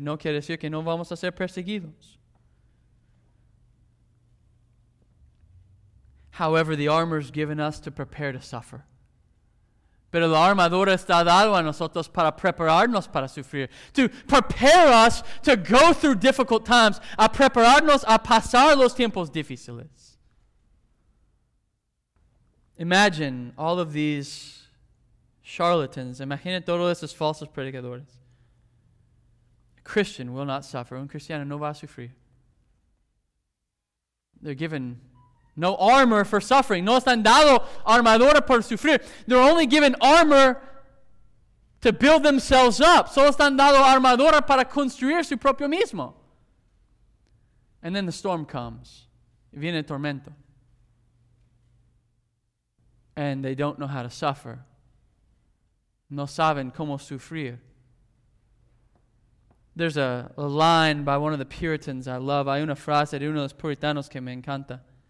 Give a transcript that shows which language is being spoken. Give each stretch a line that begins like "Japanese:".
Spanish: No quiere decir que no vamos a ser perseguidos.
English: However, the armor is given us to prepare to suffer.
Spanish: Pero la armadura está dado a nosotros para prepararnos para sufrir.
English: To prepare us to go through difficult times.
Spanish: A prepararnos a pasar los tiempos difíciles.
English: Imagine all of these charlatans.
Spanish: Imagine todos esos falsos predicadores.
English: Christian will not suffer.
Spanish: Un cristiano no va a sufrir.
English: They're given no armor for suffering.
Spanish: No están dado armadura por sufrir.
English: They're only given armor to build themselves up.
Spanish: Solo están dado armadura para construir su propio mismo.
English: And then the storm comes.
Spanish: Viene el tormento.
English: And they don't know how to suffer.
Spanish: No saben cómo sufrir.
English: There's a line by one of the Puritans I love.
Spanish: Hay una frase de uno de los puritanos que me encanta.